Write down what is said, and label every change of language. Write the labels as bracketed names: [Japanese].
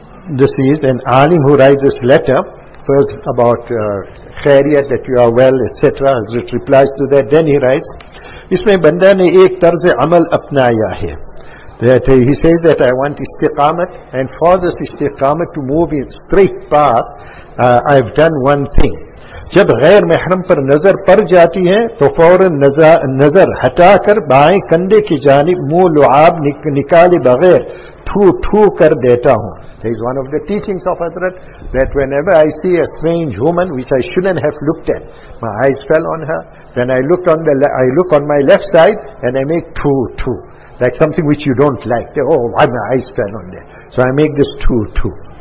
[English] This is an alim who writes this letter, first about khairiyat, that you are well, etc. Hazrat replies to that, then he writes, [Urdu] Isme banda ne ek tarz amal apnaya hai. [English] That he says that I want istiqamat, and for this istiqamat to move in straight path, I've done one thing. [Urdu] جب غیر محرم پر نظر پر جاتی ہے تو فوراً نظر ہٹا کر بائیں کندھے کی جانب منہ لعاب نکالے بغیر تھو تھو کر دیتا ہوں. [English] This is one of the teachings of Hazrat, that whenever I see a strange woman which I shouldn't have looked at, my eyes fell on her, then I look on my left side and I make تھو تھو, like something which you don't like. Say, oh, why my eyes fell on there? So I make this تھو تھو.